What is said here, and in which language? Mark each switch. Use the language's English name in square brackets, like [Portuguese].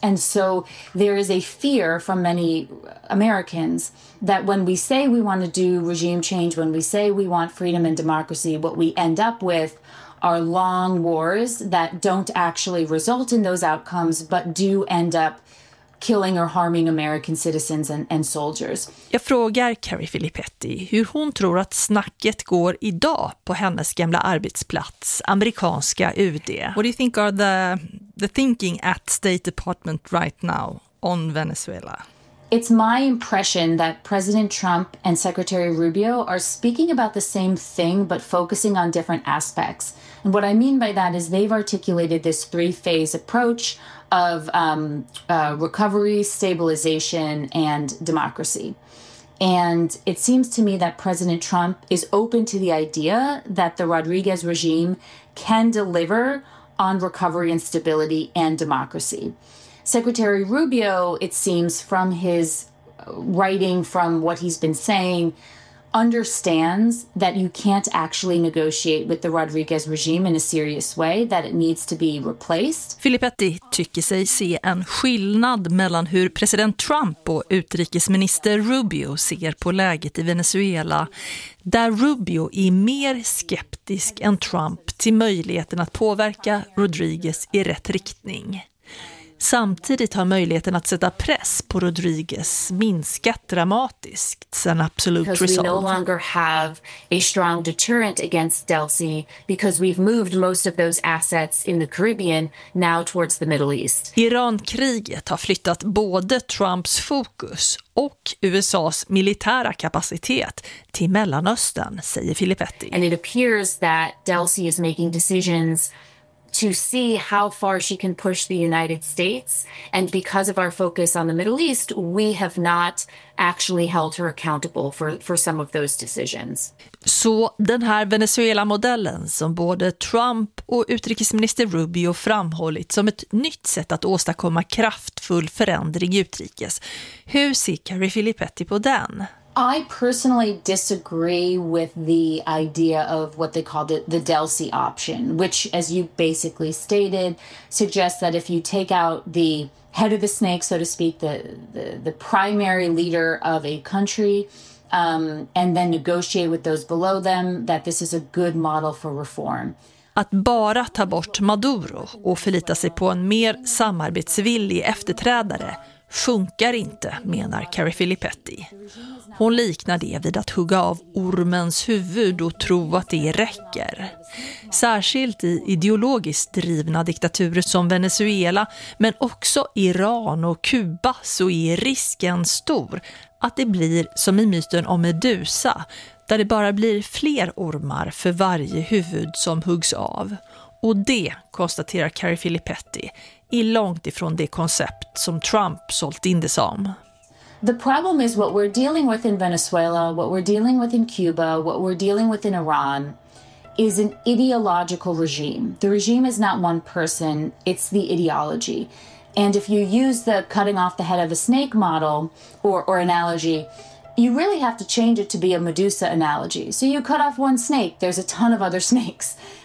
[English] And so there is a fear from many Americans that when we say we want to do regime change, when we say we want freedom and democracy, what we end up with are long wars that don't actually result in those outcomes, but do end up killing or harming American citizens and soldiers. [Swedish] Jag frågar Carrie Filippetti hur hon tror att snacket går idag på hennes gamla arbetsplats, amerikanska UD. [English] What do you think are the thinking at State Department right now on Venezuela? It's my impression that President Trump and Secretary Rubio are speaking about the same thing but focusing on different aspects. And what I mean by that is they've articulated this three-phase approach of recovery, stabilization, and democracy. And it seems to me that President Trump is open to the idea that the Rodriguez regime can deliver on recovery and stability and democracy. Secretary Rubio, it seems from his writing, from what he's been saying, understands that you can't actually negotiate with the Rodriguez regime in a serious way, that it needs to be replaced. [Swedish] Filippetti tycker sig se en skillnad mellan hur president Trump och utrikesminister Rubio ser på läget i Venezuela, där Rubio är mer skeptisk än Trump till möjligheten att påverka Rodriguez i rätt riktning. Samtidigt har möjligheten att sätta press på Rodriguez minskat dramatiskt sen Absolute Resolve. [English] Because we no longer have a strong deterrent against Delcy because we've moved most of those assets in the Caribbean now towards the Middle East. [Swedish] Irankriget har flyttat både Trumps fokus och USA:s militära kapacitet till Mellanöstern, säger Filippetti. [English] And it appears that Delcy is making decisions to see how far she can push the United States. And because of our focus on the Middle East, we have not actually held her accountable for some of those decisions. [Swedish] Så den här Venezuela-modellen som både Trump och utrikesminister Rubio framhållit som ett nytt sätt att åstadkomma kraftfull förändring i utrikes. Hur ser Carrie Filippetti på den? [English] I personally disagree with the idea of what they call the Delcy option, which, as you basically stated, suggests that if you take out the head of the snake, so to speak, the primary leader of a country, and then negotiate with those below them, that this is a good model for reform. [Swedish] Att bara ta bort Maduro och förlita sig på en mer samarbetsvillig efterträdare funkar inte, menar Carrie Filippetti. Hon liknar det vid att hugga av ormens huvud och tro att det räcker. Särskilt i ideologiskt drivna diktaturer som Venezuela, men också Iran och Kuba, så är risken stor att det blir som i myten om Medusa, där det bara blir fler ormar för varje huvud som huggs av. Och det, konstaterar Carrie Filippetti, är långt ifrån det koncept som Trump sålt in det som. [English] The problem is what we're dealing with in Venezuela, what we're dealing with in Cuba, what we're dealing with in Iran is an ideological regime. The regime is not one person, it's the ideology. And if you use the cutting off the head of a snake model or analogy, you really have to change it to be a Medusa analogy. So you cut off one snake, there's a ton of other snakes.